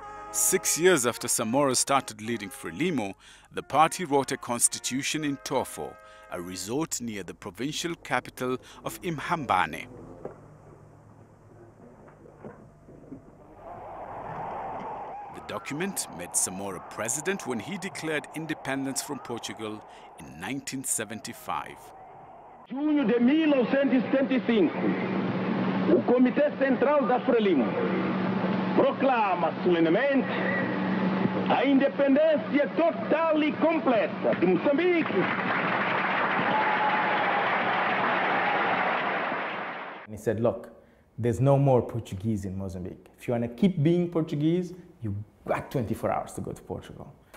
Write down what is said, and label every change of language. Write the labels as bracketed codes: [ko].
[en] Six years after Samora started leading Frelimo, the party wrote a constitution in Tofo, a resort near the provincial capital of Imhambane. The document made Samora president when he declared independence from Portugal in 1975. [pt] Junho de 1975, o Comitê Central da Frelimo proclama solenemente a independência total e completa de Moçambique. [en] And he said, look, there's no more Portuguese in Mozambique. If you want to keep being Portuguese, you got 24 hours to go to Portugal.